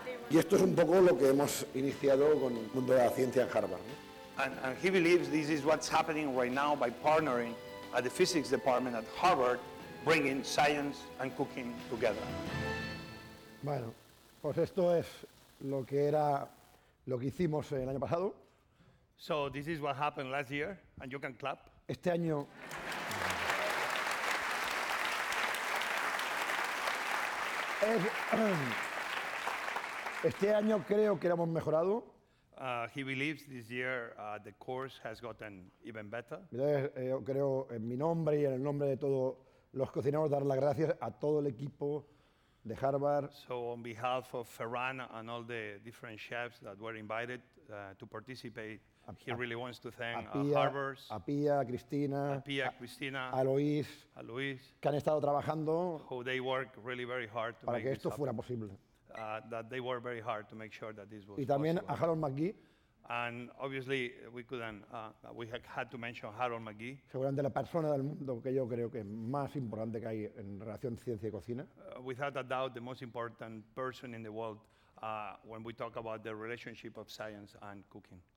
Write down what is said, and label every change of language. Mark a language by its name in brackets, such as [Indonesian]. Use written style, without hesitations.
[Spanish] Y esto es un poco lo que hemos iniciado con el mundo de la ciencia en Harvard. [English] And he believes this is what's happening right now by partnering at the physics department at Harvard, bringing science and cooking together. [Spanish] Bueno, pues esto es lo que era lo que hicimos el año pasado. [English] So this is what happened last year, and you can clap. [Spanish] Este año. Este año creo que lo hemos mejorado. [English] He believes this year the course has gotten even better. [Spanish] Yo creo en mi nombre y en el nombre de todos los cocineros dar las gracias a todo el equipo de Harvard. [English] So on behalf of Ferran and all the different chefs that were invited to participate, he really wants to thank Harvard's. [Spanish] A Pia, Cristina. A Pia, Cristina. A Luis. A Luis. Que han estado trabajando. [English] Who they work really very hard to [Spanish] para [English] make [Spanish] que esto fuera posible. [English] That they worked very hard to make sure that this was [Spanish] y también [English] possible. [Spanish] A Harold McGee. [English] And obviously we couldn't we had to mention Harold McGee. [Spanish] Seguramente la persona del mundo que yo creo que más importante que hay en relación ciencia y cocina. [English] Without a doubt the most important person in the world when we talk about the relationship of science and cooking.